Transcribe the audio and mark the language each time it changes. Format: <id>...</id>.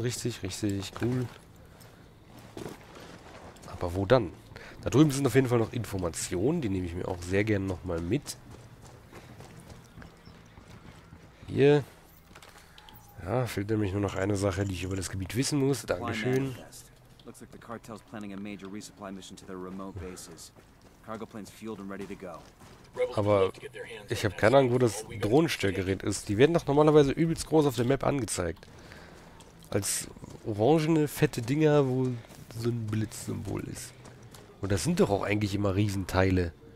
<de>Richtig, richtig, cool. Aber wo dann? Da drüben sind auf jeden Fall noch Informationen. Die nehme ich mir auch sehr gerne nochmal mit. Hier. Ja, fehlt nämlich nur noch eine Sache, die ich über das Gebiet wissen muss. Dankeschön.</de> <en>Looks like the cartel's planning a major resupply mission to their remote bases. Cargo planes fueled and ready to go.</en> <de>Aber ich habe keine Ahnung, wo das Drohnenstörgerät ist. Die werden doch normalerweise übelst groß auf der Map angezeigt. Als orangene, fette Dinger, wo so ein Blitzsymbol ist. Und das sind doch auch eigentlich immer Riesenteile.</de>